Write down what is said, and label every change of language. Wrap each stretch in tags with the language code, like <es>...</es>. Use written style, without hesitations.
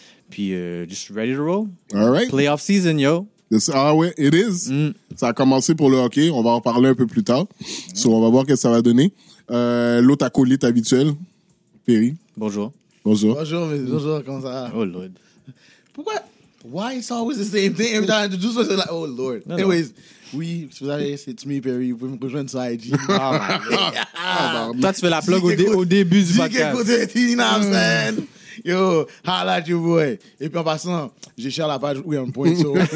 <en>Puis just ready to roll. All right. Playoff season, yo. It is. Mm.</en> <fr>Ça a commencé pour le hockey, on va en parler un peu plus tard. Mm. On va voir qu'est-ce que ça va donner. L'autre acolyte habituel, Perry. Bonjour. Bonjour. Bonjour, bonjour, comment ça va?</fr> <en>Oh Lord.</en> <fr>Pourquoi?</fr> <en>Why it's always the same thing every time I introduce myself, like, oh Lord. No, anyways,</en> <fr>oui, si vous allez, c'est me, Perry, vous pouvez me rejoindre sur IG. Toi, tu fais la plug au début du podcast. J'ai écouté,</fr> <en>you know what I'm saying? Yo, holla at you, boy.</en> <fr>Et puis en passant, j'ai cherché la page We On Point, so.</fr>